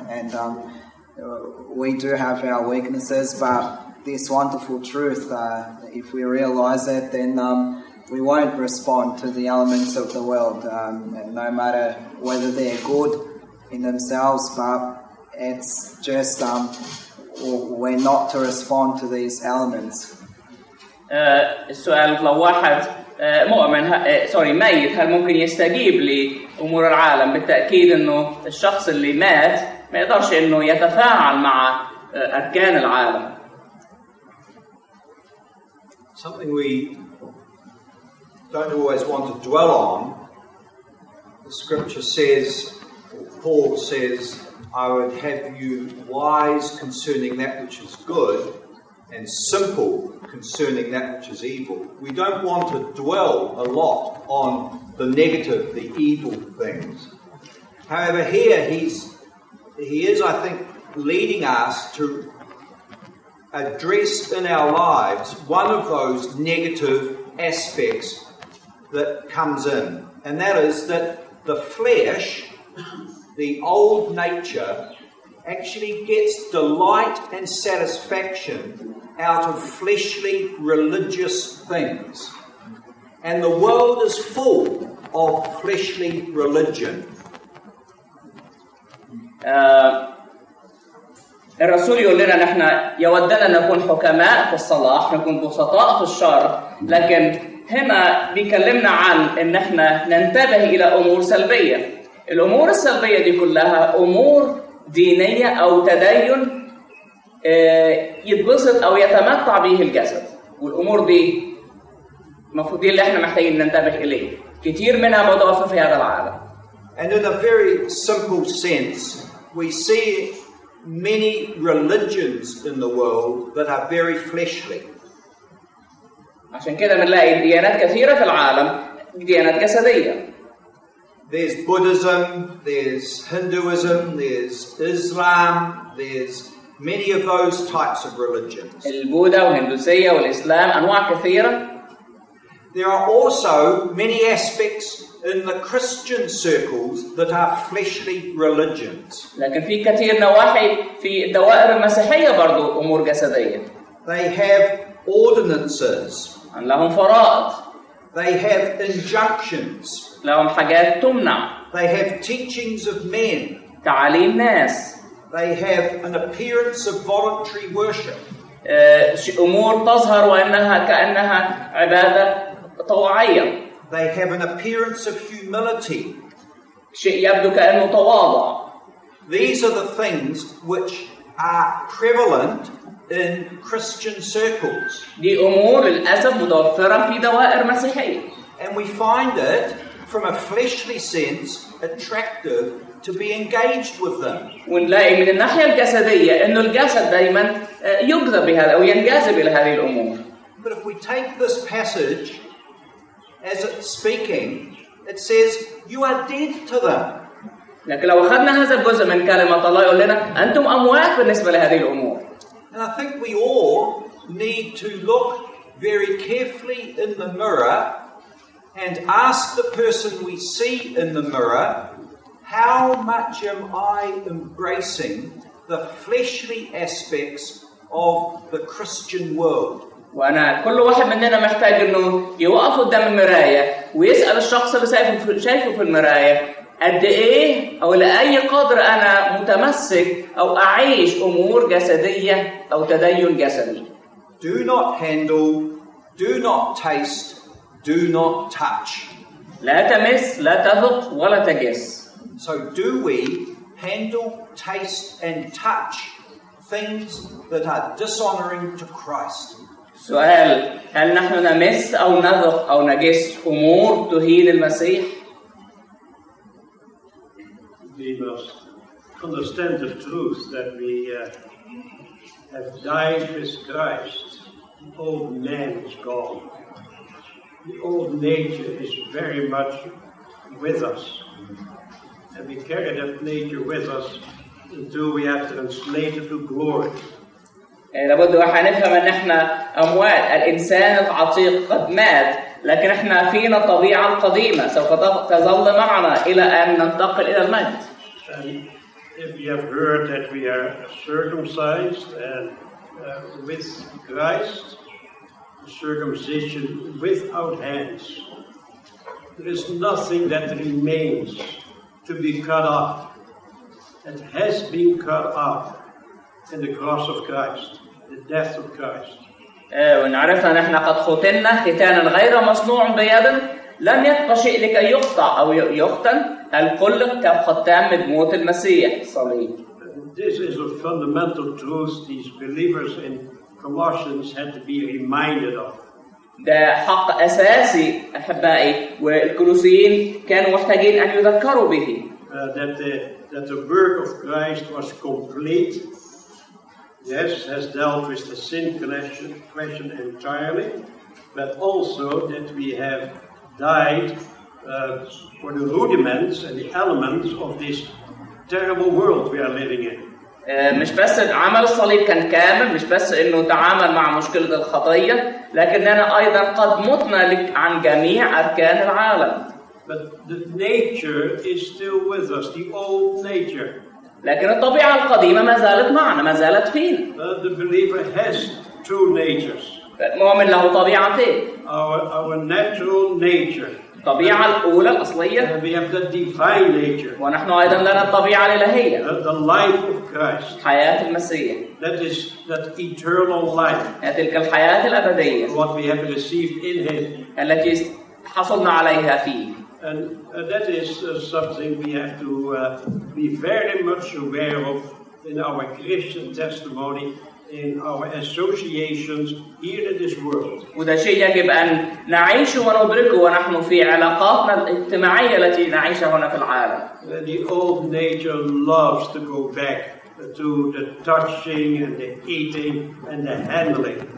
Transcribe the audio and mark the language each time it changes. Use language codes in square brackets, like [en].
[en] And we do have our weaknesses, but this wonderful truth, if we realize it, then we won't respond to the elements of the world, no matter whether they're good in themselves, but it's just... we're not to respond to these elements. [ar] السؤال لو واحد مؤمن سوري ميت هل ممكن يستجيب لأمور العالم؟ بالتأكيد إنه الشخص اللي مات ما يقدرش إنه يتفاعل مع أركان العالم. [en] Something we don't always want to dwell on. The scripture says, Paul says, I would have you wise concerning that which is good and simple concerning that which is evil. We don't want to dwell a lot on the negative, the evil things. However, here he is, I think, leading us to address in our lives one of those negative aspects that comes in, and that is that the flesh... the old nature actually gets delight and satisfaction out of fleshly religious things. And the world is full of fleshly religion. [ar] الرسول يقول لنا نحن يودنا نكون حكماء في الصلاح نكون بسطاء في الشر لكن هنا بيكلمنا عن ان احنا ننتبه الى امور سلبية. الأمور السلبية دي كلها أمور دينية أو تدين يتبسط أو يتمتع به الجسد والأمور دي المفروض اللي احنا محتاجين ننتبه إليه كتير منها مضافة في هذا العالم. [en] And in a very simple sense, we see many religions in the world that are very fleshly. [ar] عشان كده بنلاقي ديانات كثيرة في العالم ديانات جسدية. [en] There's Buddhism, there's Hinduism, there's Islam, there's many of those types of religions. [ar] البوذا والهندوسية والإسلام أنواع كثيرة. [en] There are also many aspects in the Christian circles that are fleshly religions. [ar] لكن في كثير نواحي في الدوائر المسيحية برضو أمور جسدية. [en] They have ordinances. [ar] أن لهم فرائض. [en] They have injunctions. [ar] لهم حاجات تمنع. [en] They have teachings of men. [ar] تعاليم ناس. [en] They have an appearance of voluntary worship. [ar] أمور تظهر وأنها كأنها عبادة طوعية. [en] They have an appearance of humility. [ar] شيء يبدو كأنه تواضع. [en] These are the things which are prevalent in Christian circles. [ar] دي أمور للأسف متوفرة في دوائر مسيحية. [en] And we find it from a fleshly sense attractive to be engaged with them. [ar] ونلاقي من الناحية الجسدية إنه الجسد دائما يجذب بهذا أو ينجذب إلى هذه الأمور. [en] But if we take this passage as it's speaking, it says you are dead to them. [ar] لكن لو أخذنا هذا الجزء من كلمة الله يقول لنا أنتم أموات بالنسبة لهذه الأمور. [en] And I think we all need to look very carefully in the mirror and ask the person we see in the mirror, how much am I embracing the fleshly aspects of the Christian world? [ar] وأنا كل واحد مننا محتاج إنه يوقف قدام المراية ويسأل الشخص اللي شايفه في المراية قد إيه أو لأي قدر أنا متمسك أو أعيش أمور جسدية أو تدين جسدي. [en] Do not handle, do not taste, do not touch. [ar] لا تمس، لا تذق، ولا تجس. [en] So do we handle, taste, and touch things that are dishonoring to Christ? [ar] سؤال، هل نحن نمس أو نذق أو نجس أمور تهين المسيح؟ [en] We must understand the truth that we have died with Christ. The old man is gone. The old nature is very much with us. And we carry that nature with us until we are translated to glory. [ar] لابد وحنفهم ان احنا اموات الانسان العتيق قد مات لكن احنا فينا الطبيعة القديمة سوف تظل معنا الى ان ننتقل الى المجد. [en] And if you have heard that we are circumcised and with Christ, circumcision without hands, there is nothing that remains to be cut off. It has been cut off in the cross of Christ, the death of Christ. [ar] ونعرف أن احنا قد ختنا ختانا غير مصنوع بيد لم يبقى شيء لكي يقطع أو يختن. الكل كختام من موت المسيح صليب. [en] This is a fundamental truth these believers in Colossians had to be reminded of. [ar] ده حق أساسي أحبائي والكولوسيين كانوا محتاجين أن يذكروا به. [en] That the work of Christ was complete. Yes, has dealt with the sin question entirely, but also that we have died for the rudiments and the elements of this terrible world we are living in. [ar] مش بس عمل الصليب كان كامل، مش بس إنه تعامل مع مشكلة الخطية، لكننا أيضا قد متنا عن جميع أركان العالم. [en] But the nature is still with us, the old nature. [ar] لكن الطبيعة القديمة ما زالت معنا، ما زالت فينا. [en] The believer has two natures. [ar] المؤمن له طبيعتين. [en] Our natural nature. [ar] الطبيعة الأولى الأصلية. [en] We have the divine nature. [ar] ونحن أيضا لنا الطبيعة الإلهية. [en] The life of Christ. [ar] حياة المسيح. [en] That is that eternal life. [ar] تلك الحياة الأبدية. [en] What we have received in Him. [ar] التي حصلنا عليها فيه. [en] And that is something we have to be very much aware of in our Christian testimony, in our associations here in this world. [ar] وده شيء يجب أن نعيشه وندركه ونحن في علاقاتنا الاجتماعية التي نعيشها هنا في العالم. [en] The old nature loves to go back to the touching and the eating and the handling.